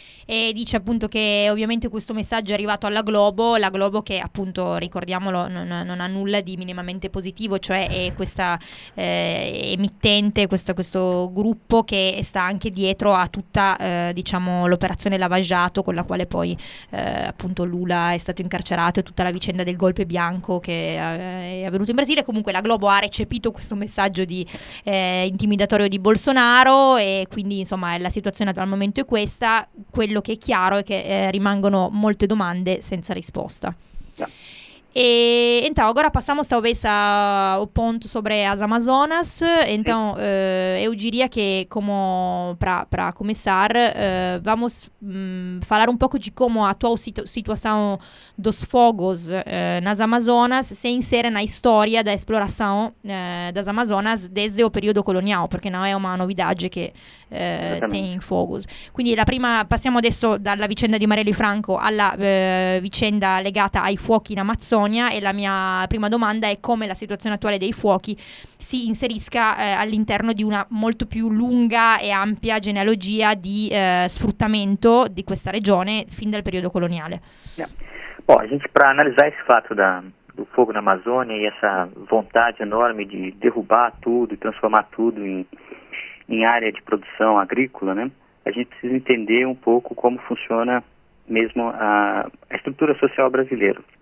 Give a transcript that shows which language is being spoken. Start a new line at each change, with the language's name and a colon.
Italian: E dice appunto che ovviamente questo messaggio è arrivato alla Globo, la Globo che appunto, ricordiamolo, non ha nulla di minimamente positivo, cioè è questa emittente, questo gruppo che sta anche dietro a tutta diciamo l'operazione Lavaggiato, con la quale poi appunto Lula è stato incarcerato, e tutta la vicenda del golpe bianco che è avvenuto in Brasile. Comunque la Globo ha recepito questo messaggio di intimidatorio di Bolsonaro, e quindi insomma la situazione al momento è questa. Quello che è chiaro è che rimangono molte domande senza risposta.
English: Yeah.
Portuguese: E então agora passamos talvez ao ponto sobre as Amazonas. Então, eu diria que como para começar, vamos falar um pouco de como a atual situação dos fogos nas Amazonas se insere na história da exploração das Amazonas desde o período colonial, porque não é uma novidade que tem fogos.
Italian: Quindi la prima, passiamo adesso dalla vicenda di Marielle Franco alla vicenda legata ai fuochi in Amazzonia, e la mia prima domanda è come la situazione attuale dei fuochi si inserisca all'interno di una molto più lunga e ampia genealogia di sfruttamento di questa regione fin dal periodo coloniale. Yeah.
Portuguese: Bom, a gente, para analisar esse fato do fogo na Amazônia e essa vontade enorme de derrubar tudo e transformar tudo em área de produção agrícola, né? A gente precisa entender um pouco como funciona mesmo a estrutura social brasileira.